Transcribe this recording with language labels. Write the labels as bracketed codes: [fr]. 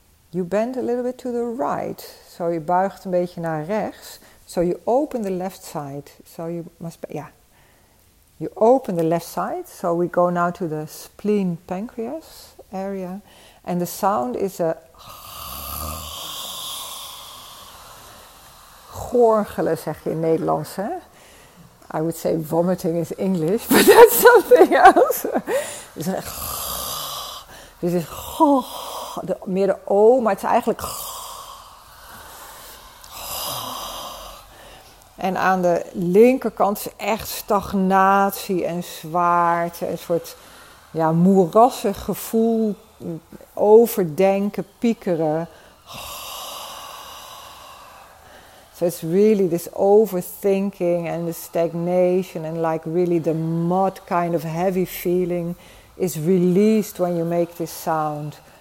[en] You bend a little bit to the right. [nl] So je buigt een beetje naar rechts. [en] So you open the left side. So you must, yeah. You open the left side. So we go now to the spleen pancreas area. And the sound is a [nl] gorgelen, zeg je in Nederlands, hè? [en] I would say vomiting is English, but that's something else. [nl] Dus een g, dus is g, meer de o, maar het is eigenlijk g. En aan de linkerkant is echt stagnatie en zwaarte, een soort ja, moerassig gevoel, overdenken, piekeren. [en] So it's really this overthinking and the stagnation and like really the mud kind of heavy feeling is released when you make this sound.